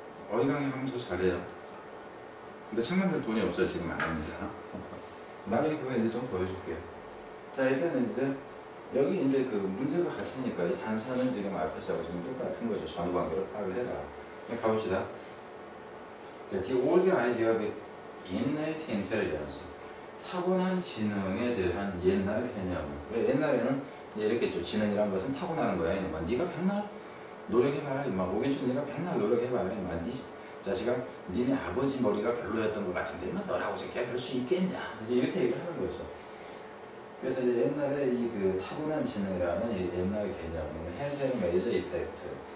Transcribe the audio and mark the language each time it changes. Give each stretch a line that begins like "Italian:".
Korean: 어휘 강의 하면 저 잘해요. 근데 책 만들 돈이 없어요. 지금 안 합니다. 나중에 그거 이제 좀 보여줄게요. 자, 일단은 이제 여기 이제 그 문제가 같으니까 이 단서는 지금 앞에서 지금 똑같은 거죠. 전후 관계를 파악을 해라. 가봅시다.
English: The old idea of innate intelligence.
Korean: 타고난 지능에 대한 옛날 개념. 옛날에는 이렇게 했죠. 지능이란 것은 타고나는 거야. 인마. 네가 백날 노력해봐라. 인마. 오긴 좀 네가 백날 노력해봐라. 인마. 네 자식아, 니네 아버지 머리가 별로였던 것 같은데 인마. 너라고 새끼야 별 수 있겠냐. 이제 이렇게 얘기를 하는 거죠. 그래서 이제 옛날에 이 그 타고난 지능이라는 옛날 개념은 해세의 메이저 이펙트.